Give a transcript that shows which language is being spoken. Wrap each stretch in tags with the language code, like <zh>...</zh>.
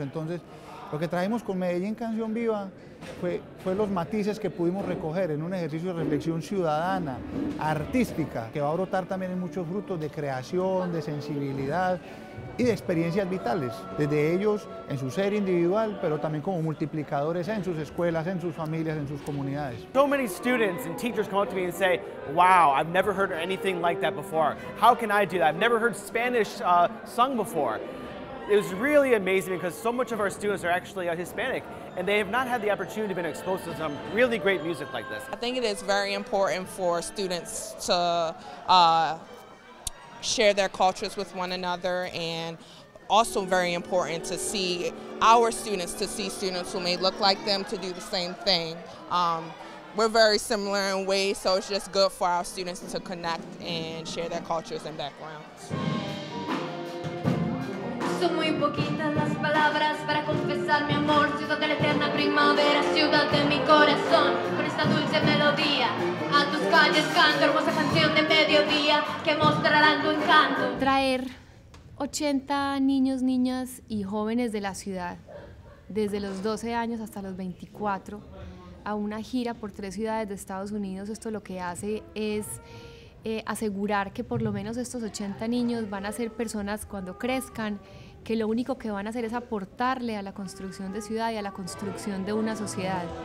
<es>Entonces, lo que trajimos con Medellín Canción Viva fue los matices que pudimos recoger en un ejercicio de reflexión ciudadana, artística, que va a brotar también en muchos frutos de creación, de sensibilidad y de experiencias vitales, desde ellos en su ser individual, pero también como multiplicadores en sus escuelas, en sus familias, en sus comunidades.</es> <en>So many students and teachers come up to me and say, wow, I've never heard anything like that before. How can I do that? I've never heard Spanish sung before. It was really amazing because so much of our students are actually Hispanic and they have not had the opportunity to be exposed to some really great music like this. I think it is very important for students to share their cultures with one another, and also very important to see our students, to see students who may look like them, to do the same thing. We're very similar in ways, so it's just good for our students to connect and share their cultures and backgrounds.</en> <es>Son muy poquitas las palabras para confesar mi amor, ciudad de la eterna primavera, ciudad de mi corazón, con esta dulce melodía, a tus calles canto, hermosa canción de mediodía, que mostrarán tu encanto. Traer 80 niños, niñas y jóvenes de la ciudad, desde los 12 años hasta los 24, a una gira por tres ciudades de Estados Unidos, esto lo que hace es asegurar que por lo menos estos 80 niños van a ser personas cuando crezcan que lo único que van a hacer es aportarle a la construcción de ciudad y a la construcción de una sociedad.</es>